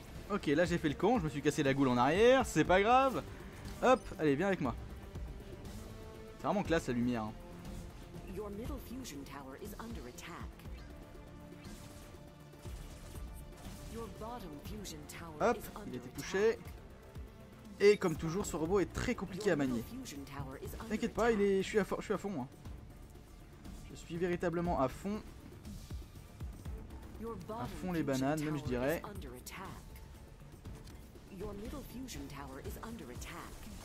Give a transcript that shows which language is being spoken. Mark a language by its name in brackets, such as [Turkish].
[French] Ok, là j'ai fait le con, je me suis cassé la goule en arrière, c'est pas grave. Hop, allez, viens avec moi. C'est vraiment classe la lumière. [English] Your middle fusion tower is under attack. Your bottom fusion tower is under attack. [French] Hop, il a été touché. Et comme toujours, ce robot est très compliqué à manier. T'inquiète pas, je suis à fond, moi. Je suis véritablement à fond. À fond les bananes, même je dirais. [English] Your middle fusion tower is under attack.